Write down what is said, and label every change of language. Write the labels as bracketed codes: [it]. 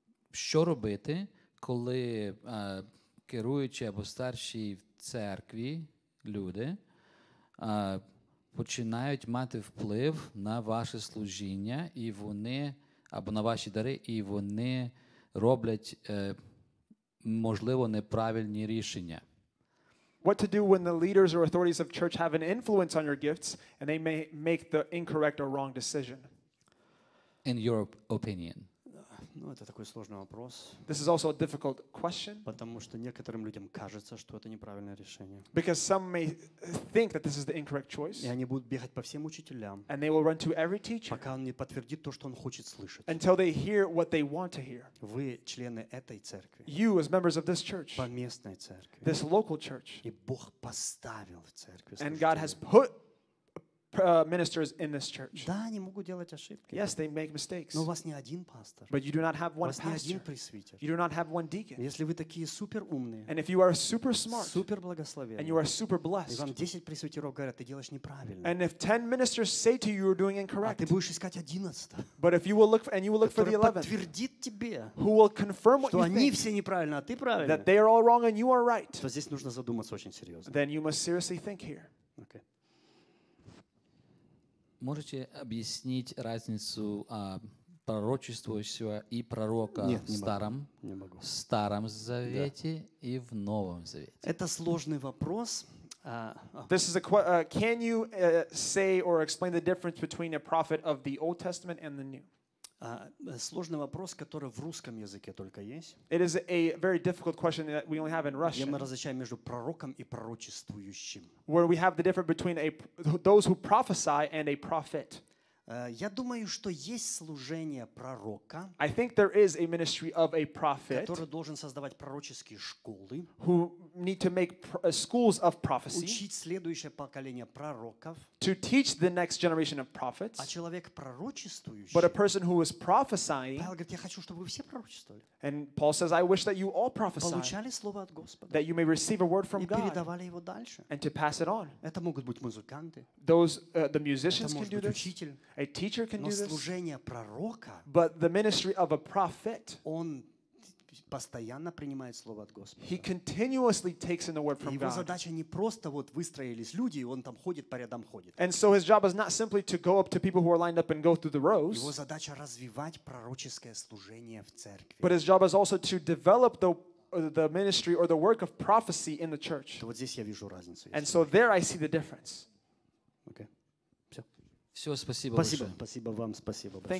[uk] Що робити, коли керуючі або старші в церкві люди починають мати вплив на ваше служіння, і вони, або на ваші дари, і вони роблять, можливо, неправильні рішення. [en] What to do when the leaders or authorities of church have an influence on your gifts and they may make the incorrect or wrong decision? In your opinion. [ru] Ну, это такой сложный вопрос. [en] This is also a difficult question. [ru] Потому что некоторым людям кажется, что это неправильное решение. [en] Because some may think that this is the incorrect choice. [ru] И они будут бегать по всем учителям. [en] And they will run to every teacher. [ru] Пока он не подтвердит то, что он хочет слышать. [en] Until they hear what they want to hear. [ru] Вы члены этой церкви. [en] You as members of this church. [ru] Поместной церкви. [en] This local church. [ru] И Бог поставил в церкви. [en] And God has put ministers in this church. [ru] Да, они могут делать ошибки. [en] Yes, they make mistakes. [ru] Но у вас не один пастор. [en] But you do not have one pastor. [ru] У вас не один пресвитер. [en] You do not have one deacon. [ru] Если вы такие супер умные. [en] And if you are super smart. [ru] Супер благословенные. [en] And you are super blessed. [ru] И вам 10 пресвитеров говорят, ты делаешь неправильно. [en] And if 10 ministers say to you, you're doing incorrect. [ru] А ты будешь искать 11. [en] But if you will look for, and you will look for the 11. [ru] Который подтвердит тебе. [en] Who will confirm what you think. [ru] Что они все неправильно, а ты правильно. [en] That they are all wrong and you are right. [ru] То здесь нужно задуматься очень серьезно. [en] Then you must seriously think here. Okay. [ru] Можете объяснить разницу пророчествующего и пророка в Старом Завете и в Новом Завете? Это сложный вопрос. [en] This is a can you say or explain the difference between a prophet of the Old Testament and the New? [ru] Сложный вопрос, который в русском языке только есть. [en] It is a very difficult question that we only have in Russian. [ru] Где мы различаем между пророком и пророчествующим. [en] Where we have the difference between those who prophesy and a prophet. [ru] Я думаю, что есть служение пророка. [en] I think there is a ministry of a prophet. [ru] Который должен создавать пророческие школы. [en] Who need to make schools of prophecy. [ru] Учить следующее поколение пророков. [en] To teach the next generation of prophets. [ru] А человек пророчествующий. [en] But a person who is prophesying. [ru] Павел говорит, я хочу, чтобы вы все пророчествовали. [en] And Paul says, I wish that you all prophesy. [ru] Получали слово от Господа. [en] That you may receive a word from God. [ru] И передавали его дальше. [en] And to pass it on. [ru] Это могут быть музыканты. [en] Those the musicians can do this. [ru] Учитель. [en] A teacher can do this. [ru] Но служение пророка. [en] But the ministry of a prophet. [ru] Он постоянно принимает слово от Господа. [en] He continuously takes in the word from God. [ru] Его задача не просто вот выстроились люди, он там ходит по рядам ходит. [en] And so his job is not simply to go up to people who are lined up and go through the rows. [ru] Его задача развивать пророческое служение в церкви. [en] But his job is also to develop the ministry or the work of prophecy in the church. [ru] Вот здесь я вижу разницу. [en] And so there I see the difference. Okay. [ru] Все, спасибо. Спасибо, спасибо вам, спасибо большое.